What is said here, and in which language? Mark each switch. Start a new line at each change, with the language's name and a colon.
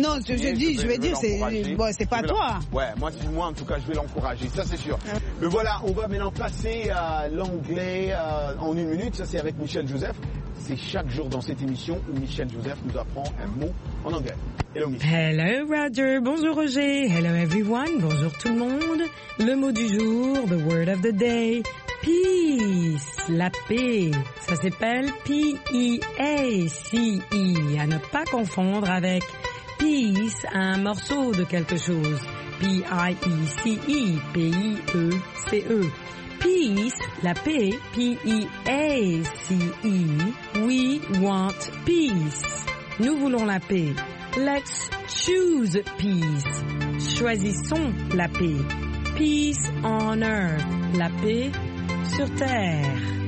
French: Non, je veux dire, c'est pas toi. Ouais, moi si moi, en tout cas, je vais l'encourager, ça c'est sûr. Mais voilà, on va maintenant passer à l'anglais en une minute. Ça c'est avec Michel Joseph. C'est chaque jour dans cette émission où Michel Joseph nous apprend un mot en anglais.
English: Hello Michel. Hello Roger.
French: Bonjour Roger.
English: Hello everyone.
French: Bonjour tout le monde. Le mot du jour,
English: the word of the day.
French: Peace, la paix, ça s'appelle P-E-A-C-E, à ne pas confondre avec peace, un morceau de quelque chose, P-I-E-C-E, P-I-E-C-E. Peace, la paix, P-E-A-C-E,
English: we want peace,
French: nous voulons la paix,
English: let's choose peace,
French: choisissons la paix,
English: peace on earth,
French: la paix, sur terre.